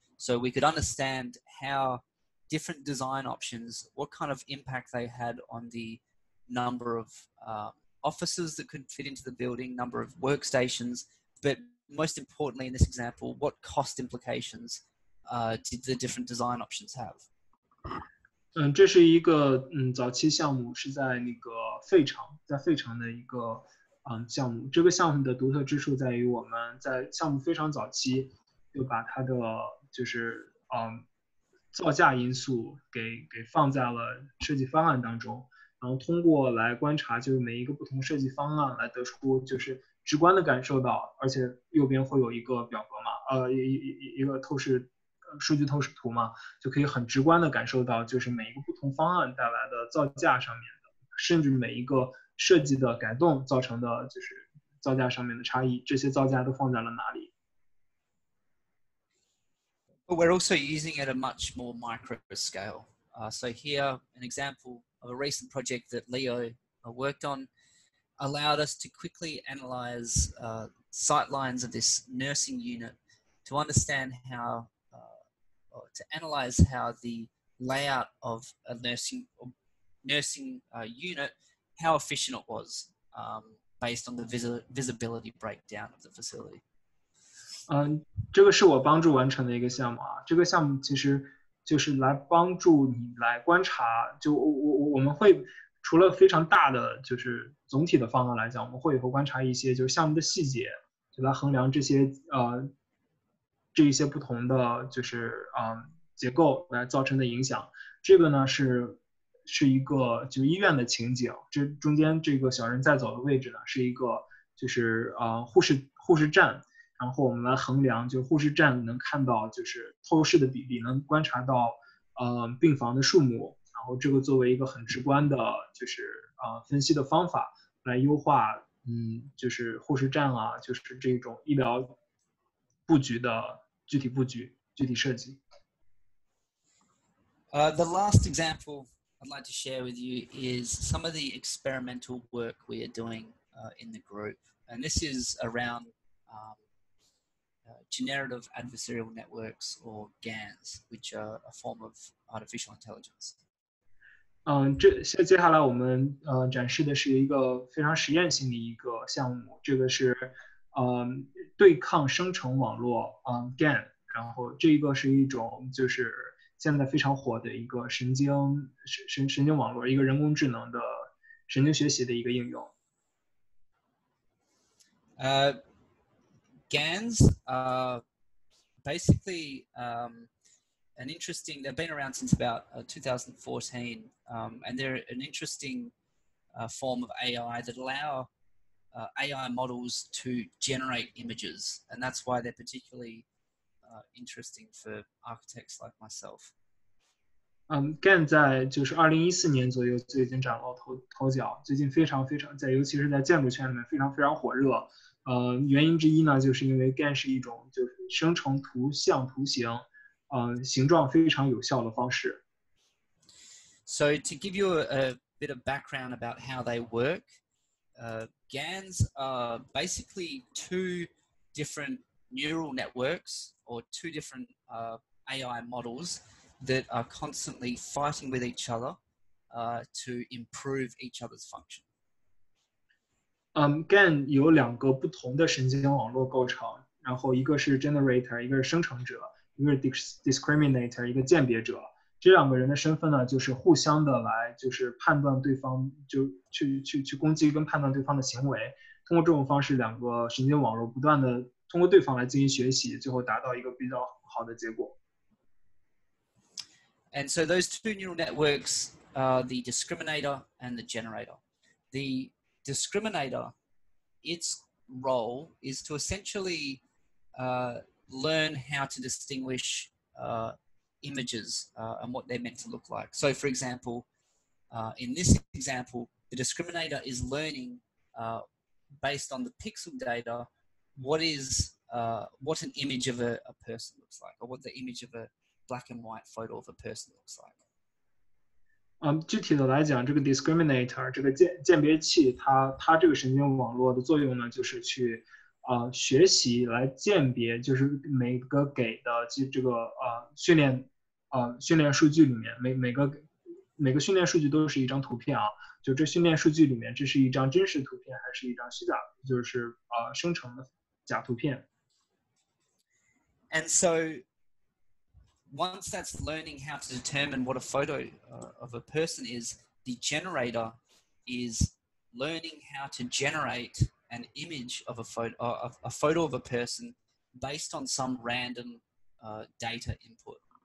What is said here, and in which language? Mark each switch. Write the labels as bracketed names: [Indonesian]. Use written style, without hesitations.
[English] So we could understand how different design options, what kind of impact they had on the number of offices that could fit into the building, number of workstations, but most importantly in this example, what cost implications did the different design options have? [Chinese] 这是一个早期项目，是在那个费城，在费城的一个项目。这个项目的独特之处在于，我们在项目非常早期就把它的就是造价因素 给放在了设计方案当中，然后通过来观察就是每一个不同设计方案来得出，就是直观的感受到，而且右边会有一个表格嘛，一个透视数据透视图嘛，就可以很直观的感受到就是每一个不同方案带来的造价上面的，甚至每一个设计的改动造成的就是造价上面的差异，这些造价都放在了哪里。 [English] But we're also using it at a much more micro scale. So here, an example of a recent project that Leo worked on allowed us to quickly analyze sight lines of this nursing unit to understand how, to analyze how the layout of a nursing unit, how efficient it was based on the visibility breakdown of the facility. [Chinese] 嗯，这个是我帮助完成的一个项目啊。这个项目其实就是来帮助你来观察，就我们会除了非常大的就是总体的方案来讲，我们会以后观察一些就是项目的细节，就来衡量这些这一些不同的就是结构来造成的影响。这个呢是一个就医院的情景，这中间这个小人在走的位置呢是一个就是护士站。然后我们来衡量，就护士站能看到就是透视的比例，能观察到病房的数目，然后这个作为一个很直观的就是分析的方法来优化就是护士站啊，就是这种医疗布局的具体布局具体设计。 [English] The last example I'd like to share with you is some of the experimental work we are doing in the group, and this is aroundGenerative adversarial networks or GANs, which are a form of artificial intelligence. [Chinese] 接下来我们展示的是一个非常实验性的一个项目，这个是对抗生成网络GAN, 然后这一个是一种就是现在非常火的一个神经网络，一个人工智能的神经学习的一个应用。 [English] GANs are basically an interesting, they've been around since about 2014, and they're an interesting form of AI that allow AI models to generate images, and that's why they're particularly interesting for architects like myself. [Chinese] GAN 在就是2014年左右就已经崭露头角，最近非常非常在，尤其是在建筑圈里面非常非常火热。原因之一呢，就是因为 GAN 是一种就是生成图像图形，形状非常有效的方式。 [English] So to give you a bit of background about how they work, GANs are basically two different neural networks or two different AI models that are constantly fighting with each other to improve each other's function. [Chinese] GAN 有两个不同的神经网络构成，然后一个是 generator， 一个是生成者，一个是 discriminator， 一个鉴别者。这两个人的身份呢，就是互相的来，就是判断对方，就去攻击跟判断对方的行为。通过这种方式，两个神经网络不断的通过对方来进行学习，最后达到一个比较好的结果。 [English] And so those two neural networks are the discriminator and the generator. The discriminator, its role is to essentially learn how to distinguish images and what they're meant to look like. So for example, in this example, the discriminator is learning based on the pixel data, what an image of a person looks like, or what the image of a black and white photo of a person looks like. [Chinese] 具体的来讲，这个 discriminator 这个鉴别器，它这个神经网络的作用呢，就是去学习来鉴别，就是每个给的这个训练数据里面，每个训练数据都是一张图片啊，就这训练数据里面，这是一张真实图片还是一张虚假，就是生成的假图片。 [English] And so. Once that's learning how to determine what a photo of a person is, the generator is learning how to generate an image of a photo of a person based on some random data input.